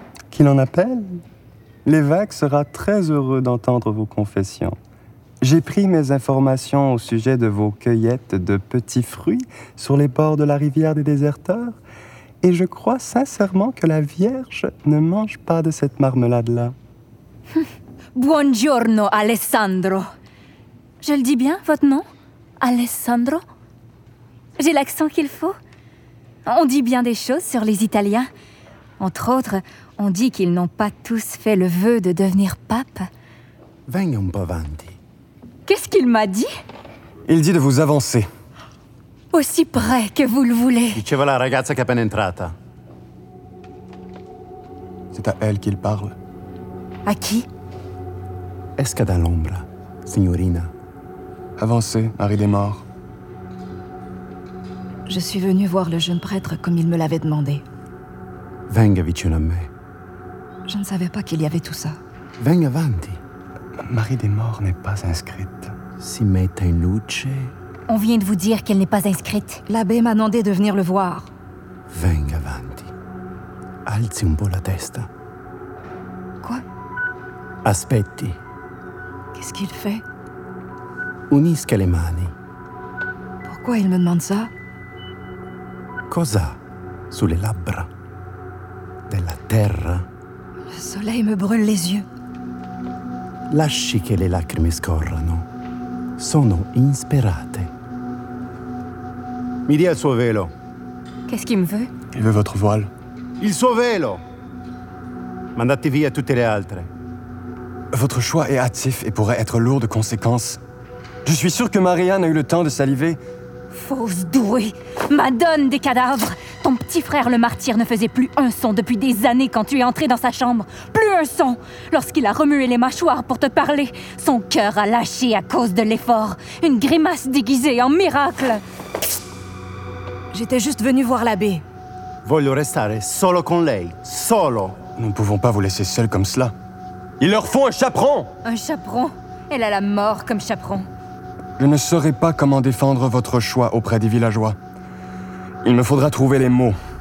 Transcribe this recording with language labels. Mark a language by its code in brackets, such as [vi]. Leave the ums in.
[fr] Qu'il en appelle L'évêque sera très heureux d'entendre vos confessions. J'ai pris mes informations au sujet de vos cueillettes de petits fruits sur les bords de la rivière des déserteurs, et je crois sincèrement que la Vierge ne mange pas de cette marmelade-là. [it] Buongiorno, Alessandro. [fr] Je le dis bien, votre nom Alessandro J'ai l'accent qu'il faut. On dit bien des choses sur les Italiens. Entre autres, on dit qu'ils n'ont pas tous fait le vœu de devenir pape. [it] Venga un po' avanti. [fr] Qu'est-ce qu'il m'a dit Il dit de vous avancer. Aussi près que vous le voulez. [it] Diceva la ragazza che è appena entrata. [fr] C'est à elle qu'il parle. À qui [it] Esca dall'ombra, signorina. [fr] Avancez, Harry des morts. Je suis venue voir le jeune prêtre comme il me l'avait demandé. [it] Venga vicino a me. [fr] Je ne savais pas qu'il y avait tout ça. [it] Venga avanti. [fr] Marie des morts n'est pas inscrite. [it] Si metta in luce. [fr] On vient de vous dire qu'elle n'est pas inscrite. L'abbé m'a demandé de venir le voir. [it] Venga avanti. Alzi un po' la testa. [fr] Quoi [it] Aspetti. [fr] Qu'est-ce qu'il fait [it] Unisca le mani. [fr] Pourquoi il me demande ça [it] Cosa ha sulle labbra? Della terra. [fr] Le soleil me brûle les yeux. [it] Lasci che le lacrime scorrano. Sono insperate. Mi dia il suo velo. [fr] Qu'est-ce qu'il me veut Il veut votre voile. [it] Il suo velo! Mandate via tutte le altre. [fr] Votre choix est hâtif et pourrait être lourd de conséquences. Je suis sûr que Marianne a eu le temps de saliver. Fausse douée Madone des cadavres Ton petit frère le martyr ne faisait plus un son depuis des années quand tu es entrée dans sa chambre. Plus un son Lorsqu'il a remué les mâchoires pour te parler, son cœur a lâché à cause de l'effort. Une grimace déguisée en miracle J'étais juste venue voir l'abbé. [it] Voglio restare solo con lei. Solo! [fr] Nous ne pouvons pas vous laisser seul comme cela. Il leur faut un chaperon Un chaperon Elle a la mort comme chaperon. Je ne saurais pas comment défendre votre choix auprès des villageois. Il me faudra trouver les mots.